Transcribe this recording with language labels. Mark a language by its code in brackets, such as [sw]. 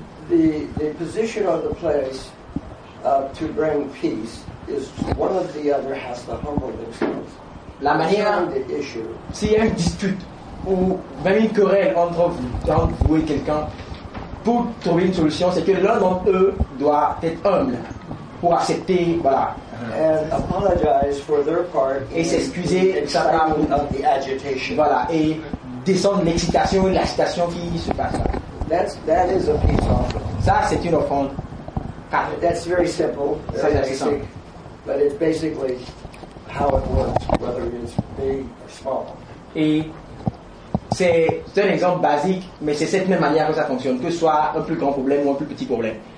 [en] The position of the place to bring peace is one of the other has to humble themselves. [fr] La manière. S'il y a une dispute ou même une querelle entre vous, quand vous et quelqu'un, pour trouver une solution, c'est que l'un d'entre eux doit être humble pour accepter, voilà. [en] And apologize for their part [fr] et s'excuser [en] of the agitation. [fr] Voilà, et descendre l'excitation et l'agitation qui se passe là. [en] That is a peace offering. [fr] Ça, c'est une offrande. [en] That's very simple. [fr] Ça, c'est basic, simple. [en] But it's basically how it works, whether it's big or small. [fr] Et c'est un exemple basique, mais c'est cette même manière que ça fonctionne, que ce soit un plus grand problème ou un plus petit problème.